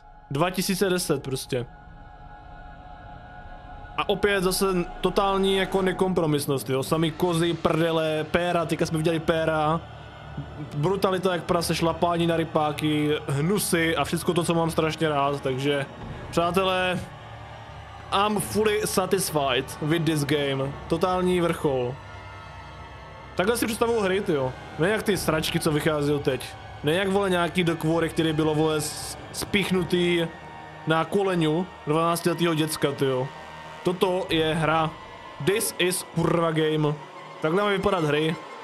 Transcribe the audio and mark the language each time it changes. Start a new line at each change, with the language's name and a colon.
Czech: 2010 prostě. A opět zase totální jako nekompromisnost, jo. Samý kozy, prdele, péra, teďka jsme viděli péra. Brutalita jak prase, šlapání na rypáky, hnusy a všechno to, co mám strašně rád, takže... Přátelé...
English: I'm fully satisfied with this game.
Czech: Totální vrchol. Takhle si představuju hry, jo. Ne jak ty sračky, co vychází teď. Ne jak, vole, nějaký dokvory, který bylo, vole, spíchnutý na koleniu 12letýho děcka, jo. Toto je hra.
English: This is kurva game.
Czech: Takhle mají vypadat hry.